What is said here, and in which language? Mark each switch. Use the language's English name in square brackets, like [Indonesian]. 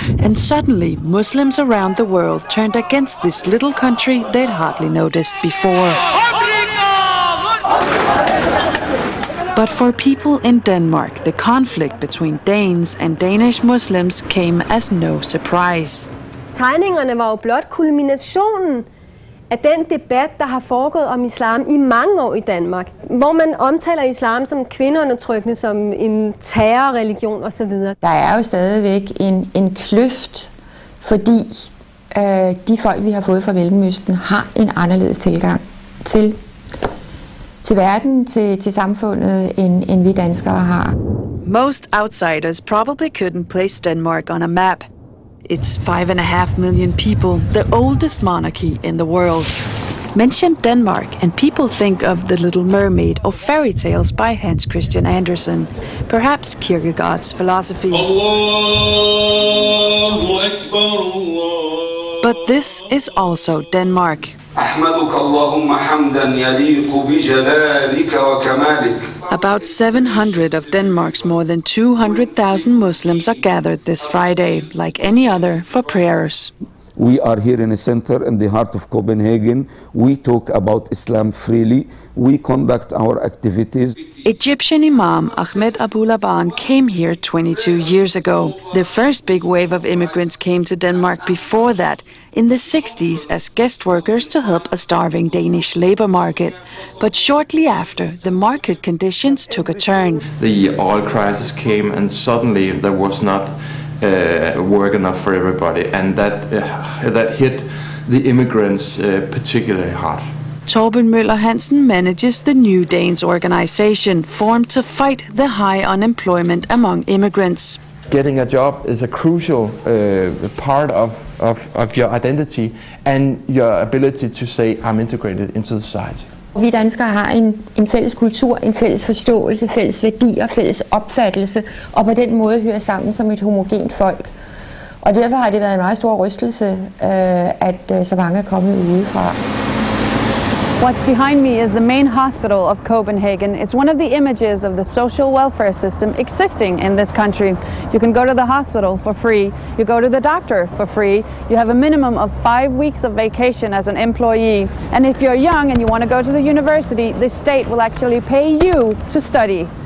[English] And suddenly, Muslims around the world turned against this little country they'd hardly noticed before. But for people in Denmark, the conflict between Danes and Danish Muslims came as no surprise. [Danish] Tegningerne var jo blot kulminationen af den debat, der har foregået om islam i mange år i Danmark, hvor man omtaler islam som kvindeundertrykkende, som en terrorreligion osv. Der er jo stadigvæk en kløft, fordi de folk, vi har fået fra Mellemøsten, har en anderledes tilgang til verden, til samfundet, end vi danskere har. [English] Most outsiders probably couldn't place Denmark on a map. It's 5.5 million people, the oldest monarchy in the world. Mention Denmark and people think of The Little Mermaid or fairy tales by Hans Christian Andersen, perhaps Kierkegaard's philosophy. [Arabic] Allahu Akbar, Allah. [English] But this is also Denmark. [Arabic] أحمدك اللهم حمدا يليق بجلالك وكمالك. [English] About 700 of Denmark's more than 200,000 Muslims are gathered this Friday, like any other, for prayers. We are here in the center, in the heart of Copenhagen. We talk about Islam freely. We conduct our activities. Egyptian Imam Ahmed Abu Laban came here 22 years ago. The first big wave of immigrants came to Denmark before that, in the 60s, as guest workers to help a starving Danish labor market. But shortly after, the market conditions took a turn. The oil crisis came, and suddenly there was not work enough for everybody, and that hit the immigrants particularly hard. Torben Møller Hansen manages the New Danes organization, formed to fight the high unemployment among immigrants. Getting a job is a crucial part of your identity and your ability to say I'm integrated into the society. [Danish] Vi danskere har en fælles kultur, en fælles forståelse, fælles værdier, fælles opfattelse, og på den måde hører sammen som et homogent folk. Og derfor har det været en meget stor rystelse, at så mange er kommet udefra. [English] What's behind me is the main hospital of Copenhagen. It's one of the images of the social welfare system existing in this country. You can go to the hospital for free, you go to the doctor for free, you have a minimum of 5 weeks of vacation as an employee, and if you're young and you want to go to the university, the state will actually pay you to study.